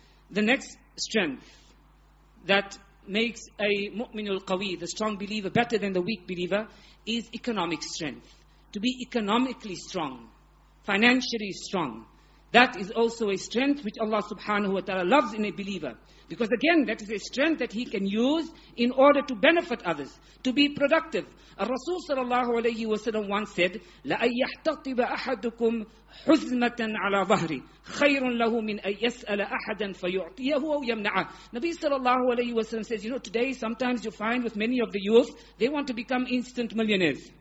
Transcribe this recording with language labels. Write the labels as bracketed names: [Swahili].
[English] The next strength that makes a mu'min al-qawi, the strong believer, better than the weak believer, is economic strength. To be economically strong, financially strong, that is also a strength which Allah subhanahu wa ta'ala loves in a believer. Because again, that is a strength that he can use in order to benefit others, to be productive. Rasul sallallahu alayhi wa sallam once said, [Arabic] لَأَن يَحْتَطِبَ أَحَدُكُمْ حُزْمَةً عَلَىٰ ظَهْرِ خَيْرٌ لَهُ مِنْ أَن يَسْأَلَ أَحَدًا فَيُعْطِيَهُ أَوْ يَمْنَعَهُ. [English] Nabi sallallahu alayhi wa sallam says, you know, today sometimes you find with many of the youth, they want to become instant millionaires.